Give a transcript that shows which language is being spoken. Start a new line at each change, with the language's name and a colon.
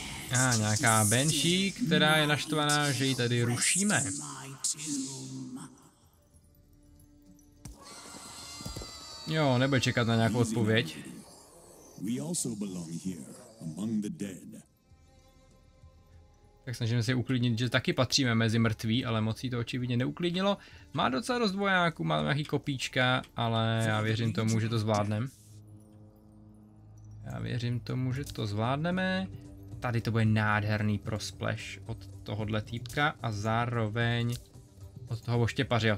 Czech: A nějaká Banshee, která je naštvaná, že ji tady rušíme. Jo, nebude čekat na nějakou odpověď.
English: We also belong here, among the dead.
Czech: Tak snažíme se uklidnit, že taky patříme mezi mrtví, ale moc jí to očividně neuklidnilo. Má docela dost vojáků, má nějaký kopíčka, ale já věřím tomu, že to zvládnem. Já věřím tomu, že to zvládneme. Tady to bude nádherný prosplash od tohohle týpka a zároveň od toho oštěpaře.